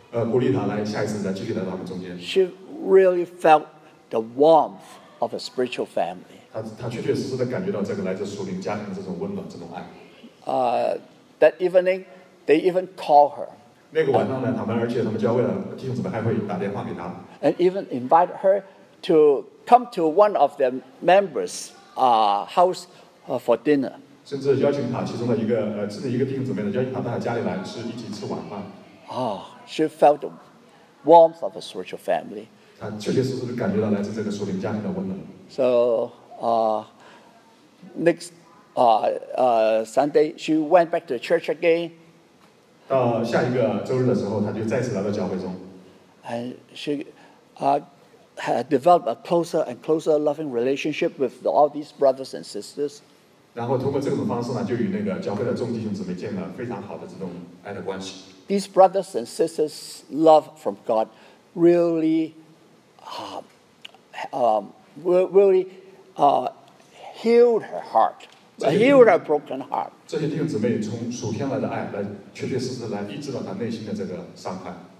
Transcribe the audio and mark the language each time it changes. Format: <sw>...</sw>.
<zh>鼓励他来下一次再继续来到我们中间。</zh> <en>She really felt the warmth of a spiritual family.</en> <zh>他确确实实的感觉到这个来自属灵家庭的这种温暖，这种爱。</zh> <en>That evening, they even call her.</en> <zh>那个晚上呢，他们教会的弟兄姊妹还会打电话给他。</zh> <en>And even invite her to come to one of their members' house for dinner.</en> <zh>甚至邀请他其中的一个甚至一个弟兄姊妹呢邀请他到他家里来吃一起吃晚饭。</zh> <en>She felt the warmth of a spiritual family.</en> <zh>他确确实实感觉到来自这个属灵家庭的温暖。</zh> <en>So, next Sunday, she went back to the church again.</en> <zh>到下一个周日的时候，他就再次来到教会中。</zh> <en>And she, had developed a closer and closer loving relationship with all these brothers and sisters.</en> <zh>然后通过这种方式呢，就与那个教会的众弟兄姊妹建了非常好的这种爱的关系。</zh> <en>These brothers and sisters' love from God really, really healed her heart, healed her broken heart.</en> <zh>这些弟兄姊妹从属天来的爱来确确实实来医治了他内心的这个伤害。</zh>